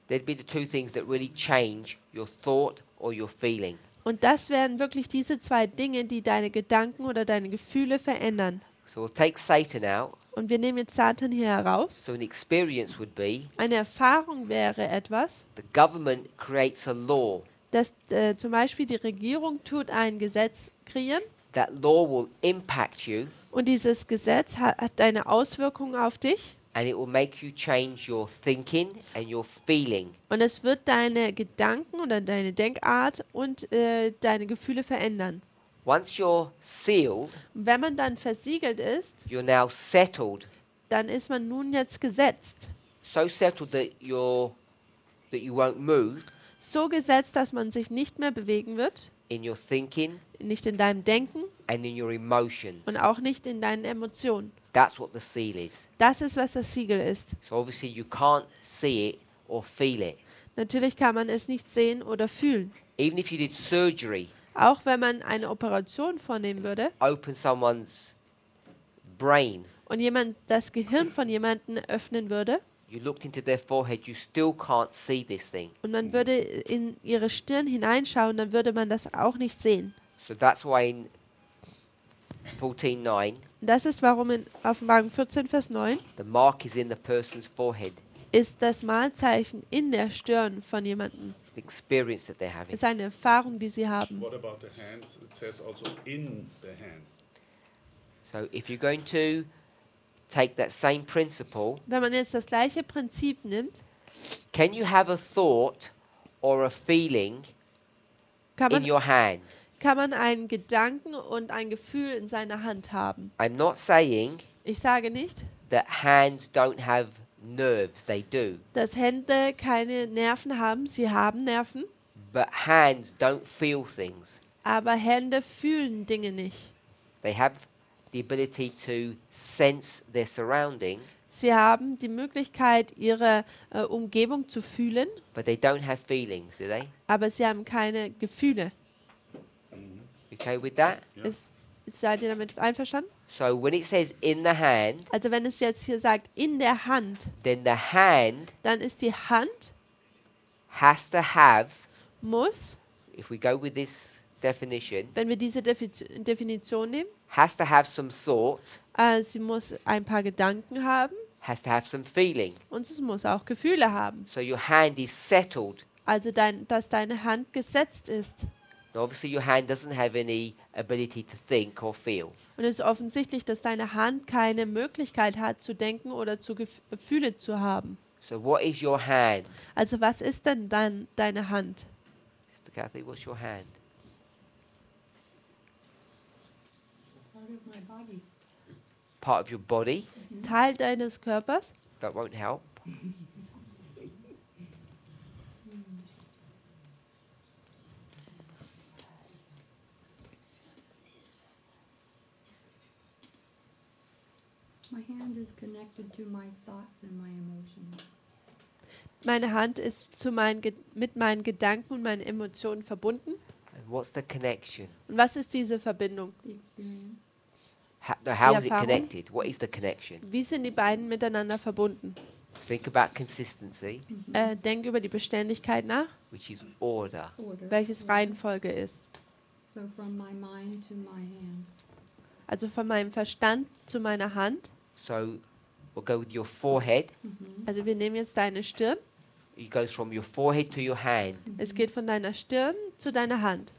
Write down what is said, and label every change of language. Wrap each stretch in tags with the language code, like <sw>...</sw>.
<en>That'd be the two things that really change your thought or your feeling.</en> <de>Und das wären wirklich diese zwei Dinge, die deine Gedanken oder deine Gefühle verändern.</de> <en>So we'll take Satan out.</en> <de>Und wir nehmen jetzt Satan hier heraus.</de> <en>So an experience would be,</en> <de>eine Erfahrung wäre etwas.</de> <en>The government creates a law.</en> <de>dass zum Beispiel die Regierung tut ein Gesetz kreieren.</de> <en>That law will impact you.</en> <de>Und dieses Gesetz hat eine Auswirkung auf dich.</de> <en>And it will make you change your thinking and your feeling.</en> <de>Und es wird deine Gedanken oder deine Denkart und deine Gefühle verändern.</de> <en>Once you're sealed,</en> <de>wenn man dann versiegelt ist,</de> <en>you're now settled.</en> <de>Dann ist man nun jetzt gesetzt.</de> <en>So settled that you won't move.</en> <de>So gesetzt, dass man sich nicht mehr bewegen wird.</de> <en>In your thinking,</en> <de>nicht in deinem Denken.</de> <en>And in your emotions.</en> <de>Und auch nicht in deinen Emotionen.</de> <en>That's what the seal is.</en> <de>Das ist, was das Siegel ist.</de> <en>So obviously you can't see it or feel it.</en> <de>Natürlich kann man es nicht sehen oder fühlen.</de> <en>Even if you did surgery.</en> <de>Auch wenn man eine Operation vornehmen würde.</de> <en>Open someone's brain.</en> <de>Und jemand das Gehirn von jemandem öffnen würde.</de> <en>You looked into their forehead, you still can't see this thing.</en> <de>Und man würde in ihre Stirn hineinschauen, dann würde man das auch nicht sehen.</de> <en>So that's why in 14:9.</en> <de>Das ist warum in Offenbarung 14 Vers 9.</de> <en>The mark is in the person's forehead.</en> <de>Ist das Markzeichen in der Stirn von jemandem.</de> <en>It's the experience that they're having.</en> <de>Ist eine Erfahrung, die sie haben.</de> <en>What about the hands? It says also in the hand. So if you're going to take that same principle.</en> <de>Wenn man jetzt das gleiche Prinzip nimmt.</de> <en>Can you have a thought or a feeling in your hand?</en> <de>Kann man einen Gedanken und ein Gefühl in seiner Hand haben?</de> <en>I'm not saying.</en> <de>Ich sage nicht.</de> <en>That hands don't have nerves. They do.</en> <de>Dass Hände keine Nerven haben. Sie haben Nerven.</de> <en>But hands don't feel things.</en> <de>Aber Hände fühlen Dinge nicht.</de> <en>They have the ability to sense their surrounding.</en> <de>Sie haben die Möglichkeit, ihre Umgebung zu fühlen.</de> <en>But they don't have feelings, do they?</en> <de>Aber sie haben keine Gefühle.</de> <en>Okay with that?</en> <de>Yeah. Seid ihr damit einverstanden?</de> <en>So when it says in the hand,</en> <de>also wenn es jetzt hier sagt in der Hand,</de> <en>then the hand,</en> <de>dann ist die Hand,</de> <en>has to have,</en> <de>muss,</de> <en>if we go with this definition,</en> <de>wenn wir diese Definition nehmen,</de> <en>has to have some thought,</en> <de>sie muss ein paar Gedanken haben,</de> <en>has to have some feeling,</en> <de>und sie muss auch Gefühle haben.</de> <en>So your hand is settled.</en> <de>Also dass deine Hand gesetzt ist.</de> <en>Now obviously your hand doesn't have any ability to think or feel.</en> <de>Und es ist offensichtlich, dass deine Hand keine Möglichkeit hat zu denken oder zu Gefühle zu haben.</de> <en>So what is your hand?</en> <de>Also was ist denn dann deine Hand?</de> <en>Sister Kathy, what's your hand? My body. Part of your body.</en> <de>Mm-hmm. Teil deines Körpers.</de> <en>That won't help. My hand is connected to my thoughts and my emotions.</en> <de>Meine Hand ist mit meinen Gedanken und meinen Emotionen verbunden.</de> <en>And what's the connection?</en> <de>Und was ist diese Verbindung?</de> <en>The experience. How is it connected? What is the connection?</en> <de>Wie sind die beiden miteinander verbunden?</de> <en>Think about consistency.</en> <de>Denk über die Beständigkeit nach.</de> <en>Which is order.</en> <de>Welches Reihenfolge ist?</de> <en>So from my mind to my hand.</en> <de>Also von meinem Verstand zu meiner Hand.</de> <en>So we'll go with your forehead.</en> <de>Mm-hmm. Also wir nehmen jetzt deine Stirn.</de> <en>It goes from your forehead to your hand.</en> <de>Es geht von deiner Stirn zu deiner Hand.</de>